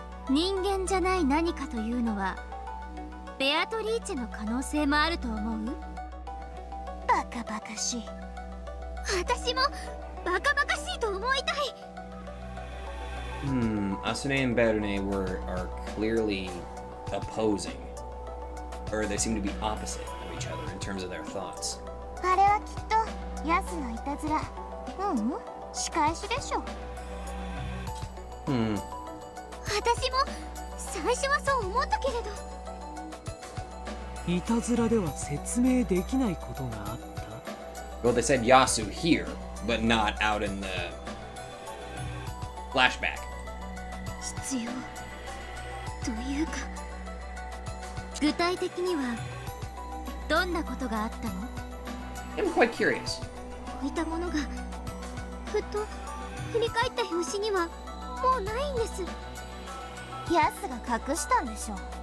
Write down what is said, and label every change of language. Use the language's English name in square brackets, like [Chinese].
[Japanese] 人間じゃない何かというのはベアトリーチェの可能性もあると思う。バカバカしい。私もバカバカしいと思いたい。 [English] Asune and Berne are clearly opposing, or they seem to be opposite of each other in terms of their thoughts. [Japanese] あれはきっとヤスのいたずら。ううん、仕返しでしょ。私も最初はそう思ったけれど。いたずらでは説明できないことがあった。 [English] Well, they said Yasu here, but not out in the flashback. [Japanese] 必要というか、具体的にはどんなことがあったの？ [English] I'm quite curious. [Japanese] 置いたものがふと振り返った表紙にはもうないんです。ヤスが隠したんでしょう。